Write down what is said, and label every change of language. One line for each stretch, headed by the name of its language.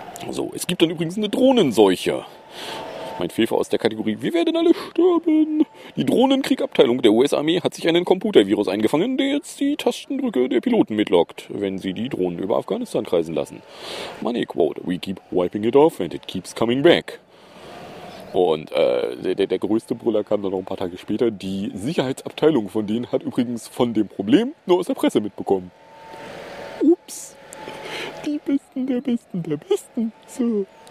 German: So, es gibt dann übrigens eine Drohnenseuche. Mein Fefe aus der Kategorie, wir werden alle sterben. Die Drohnenkriegabteilung der US-Armee hat sich einen Computervirus eingefangen, der jetzt die Tastendrücke der Piloten mitlockt, wenn sie die Drohnen über Afghanistan kreisen lassen.
English: Money quote, we keep wiping it off and it keeps coming back.
German: Und der größte Brüller kam dann noch ein paar Tage später. Die Sicherheitsabteilung von denen hat übrigens von dem Problem nur aus der Presse mitbekommen. Ups. Die Besten der Besten der Besten. So.